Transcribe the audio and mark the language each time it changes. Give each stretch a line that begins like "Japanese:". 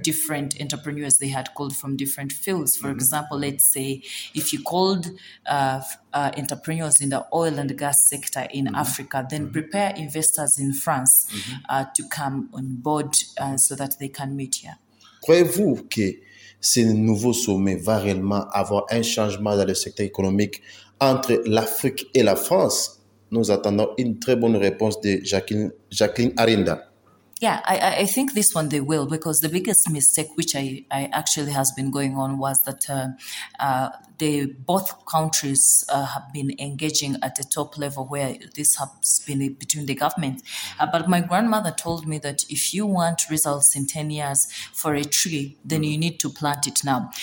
English: different entrepreneurs they had called from different fields. For example, let's say if you called entrepreneurs in the oil and gas sector in Africa, then prepare investors in France to come on board so that they can meet here.
French: Croyez-vous que ce nouveau sommet va réellement avoir un changement dans le secteur économique entre l'Afrique et la France? Nous attendons une très bonne réponse de Jacqueline Arinda.
English: Yeah, I think this one they will, because the biggest mistake which I actually has been going on was that they both countries have been engaging at the top level where this has been between the government. But my grandmother told me that if you want results in 10 years for a tree, then you need to plant it now.